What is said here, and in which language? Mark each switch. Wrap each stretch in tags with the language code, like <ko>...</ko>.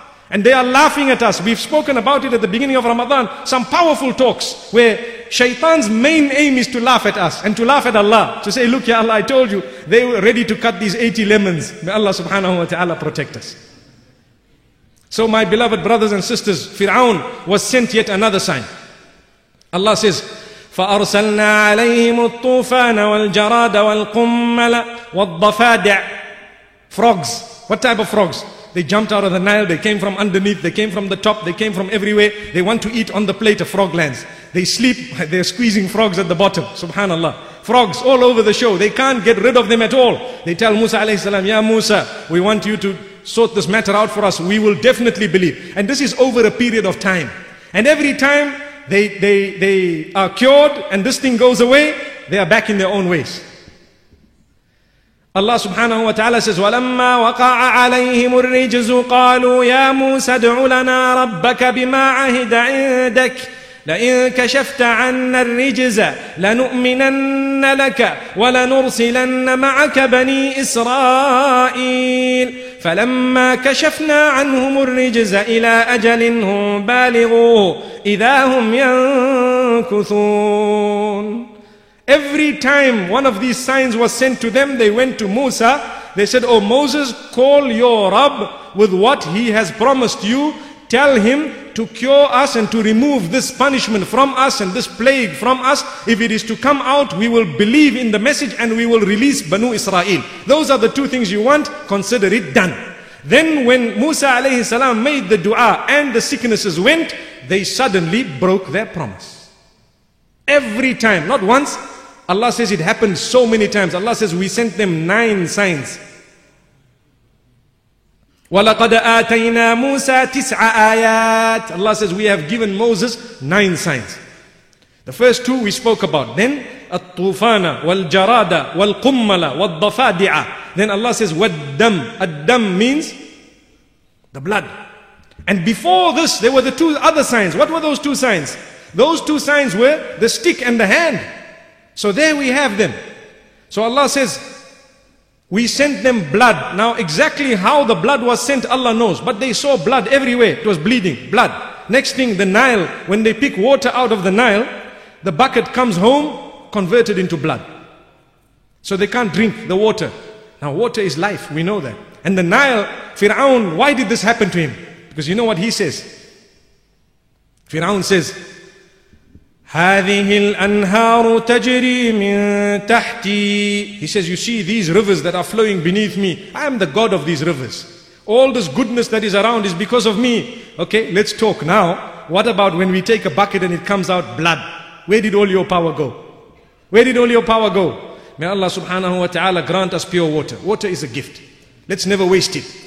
<en>And they are laughing at us. We've spoken about it at the beginning of Ramadan, some powerful talks where shaitan's main aim is to laugh at us and to laugh at Allah, to say, look, Ya Allah, I told you, they were ready to cut these 80 lemons. May Allah subhanahu wa ta'ala protect us. So my beloved brothers and sisters, Fir'aun was sent yet another sign. Allah says,</en> <ar>فَأَرْسَلْنَا عَلَيْهِمُ الطُّوفَانَ وَالْجَرَادَ وَالْقُمَّلَ وَالضَّفَادِعَ.</ar> <en>Frogs. What type of frogs? They jumped out of the Nile, they came from underneath, they came from the top, they came from everywhere. They want to eat on the plate of frog lands. They sleep, they're squeezing frogs at the bottom. Subhanallah. Frogs all over the show. They can't get rid of them at all. They tell Musa alayhi salam, Ya Musa, we want you to sort this matter out for us. We will definitely believe. And this is over a period of time. And every time, They are cured and this thing goes away, they are back in their own ways. Allah subhanahu wa ta'ala says,</en> <ar>وَلَمَّا وَقَعَ عَلَيْهِمُ الرِّجْزُ قَالُوا يَا مُوسَى ادْعُ لَنَا رَبَّكَ بِمَا عَهِدَ عِنْدَكَ لَئِنْ كَشَفْتَ عَنَّا الرِّجْزَ لَنُؤْمِنَنَّ لَكَ وَلَنُرْسِلَنَّ مَعَكَ بَنِي إِسْرَائِيلَ فَلَمَّا كَشَفْنَا عَنْهُمُ الرِّجْزَ إِلَى أَجَلٍ هُمْ بَالِغُوهُ إِذَا هُمْ يَنْكُثُونَ.</ar> <en>Every time one of these signs was sent to them, they went to Musa. They said, oh Moses, call your Rabb with what he has promised you. Tell him to cure us and to remove this punishment from us and this plague from us. If it is to come out, we will believe in the message and we will release Banu Israel. Those are the two things you want. Consider it done. Then when Musa alayhi salam made the dua and the sicknesses went, they suddenly broke their promise. Every time, not once. Allah says it happened so many times. Allah says we sent them 9 signs.</en> <ar>وَلَقَدْ آتَيْنَا مُوسَى 9 آيَاتٍ.</ar> <en>Allah says we have given Moses 9 signs. The first 2 we spoke about. Then</en> <ar>الطوفانَ والجرادَ والقُمَّلَ والضفادِعَ.</ar> <en>Then Allah says</en> <ar>والدم.</ar> <en>الدم means the blood. And before this there were the 2 other signs. What were those 2 signs? Those 2 signs were the stick and the hand. So there we have them. So Allah says, we sent them blood. Now exactly how the blood was sent, Allah knows. But they saw blood everywhere. It was bleeding, blood. Next thing, the Nile, when they pick water out of the Nile, the bucket comes home, converted into blood. So they can't drink the water. Now water is life, we know that. And the Nile, Fir'aun, why did this happen to him? Because you know what he says? Fir'aun says,</en> <ar>هذه الأنهار تجري من تحتي.</ar> <en>He says, you see these rivers that are flowing beneath me. I am the God of these rivers. All this goodness that is around is because of me. Okay, let's talk now. What about when we take a bucket and it comes out blood? Where did all your power go? Where did all your power go? May Allah subhanahu wa ta'ala grant us pure water. Water is a gift. Let's never waste it.</en>